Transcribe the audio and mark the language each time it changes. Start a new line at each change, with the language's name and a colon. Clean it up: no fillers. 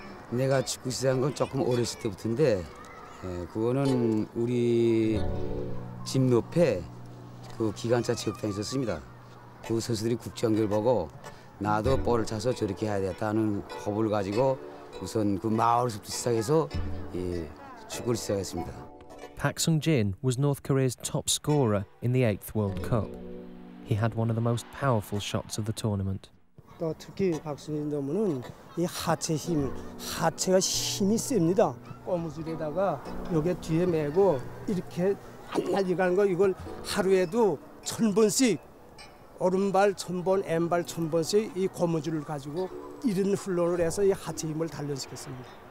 Korean: 내가 축구 시작한 건 조금 어렸을 때부터인데 그거는 우리 집 옆에 그 기관차 체육단이 있었습니다. 그 선수들이 국제연결 보고 나도 볼을 차서 저렇게 해야 되겠다 하는 호흡을 가지고 우선 그 마을에서부터 시작해서 예, 축구를 시작했습니다.
English: Park Sung-jin was North Korea's top scorer in the 8th World Cup. He had one of the most powerful shots of the tournament.
Korean: 특히 박승진 선수는 이 하체 힘, 하체가 힘이 셉니다. 꼬무줄에다가 여기 뒤에 메고 이렇게 한날이 가는 거 이걸 하루에도 천 번씩 오른발 천 번, 왼발 천 번씩 이 꼬무줄을 가지고 이런 훈련을 해서 이 하체 힘을 단련시켰습니다.